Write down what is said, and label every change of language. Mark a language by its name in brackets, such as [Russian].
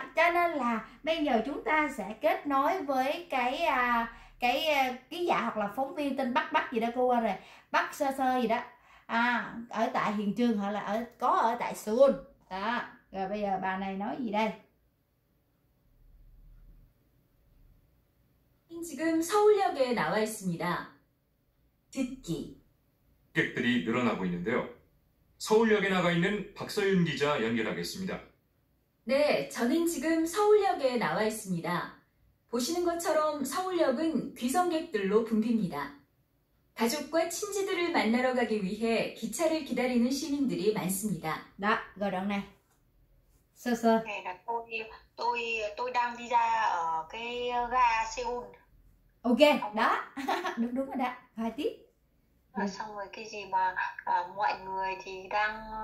[Vietnamese] cho nên là bây giờ chúng ta sẽ kết nối với cái ký giả hoặc là phóng viên tên Bắc gì đó cô qua rồi Bắc sơ sơ gì đó ở tại hiện trường hoặc là ở tại Seoul đó rồi bây giờ bà này nói gì đây [Korean] 지금 서울역에 나와 있습니다 듣기 객들이 늘어나고 있는데요 서울역에 나가 있는 박서윤 기자 연결하겠습니다 네 저는 지금 서울역에 나와 있습니다 보시는 것처럼 서울역은 귀성객들로 붐빕니다. 가족과 친지들을 만나러 가기 위해 기차를 기다리는 시민들이 많습니다. 나, 그럼 네. 서서. [Vietnamese] 네, 나 tôi đang đi ra ở cái ga Seoul. Ok, đó. Đúng đúng rồi đó. Hai tiếp. Và xong rồi cái gì mà mọi người thì đang